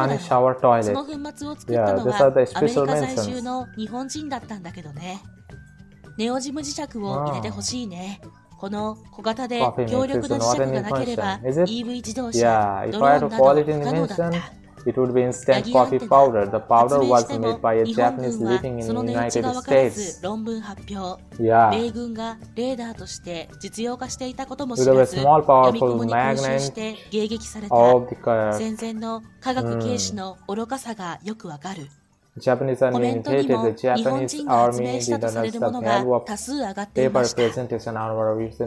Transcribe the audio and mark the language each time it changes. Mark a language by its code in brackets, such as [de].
[ja] その粉末を作ったのはアメリカ在住の日本人だったんだけどね。ネオジム磁石を入れてほしいね。この小型で強力な磁石がなければ EV 自動車、ドローンなど不可能だった。 [en] It would be instant coffee powder. The powder was made by a Japanese living in the United States. Yeah. [ja] 米軍がレーダーとして実用化していたことも知らず、闇雲に空襲して迎撃された。戦前の科学軽視の愚かさがよくわかる。コメントにも日本人が発明したとされるものが多数上がっていました。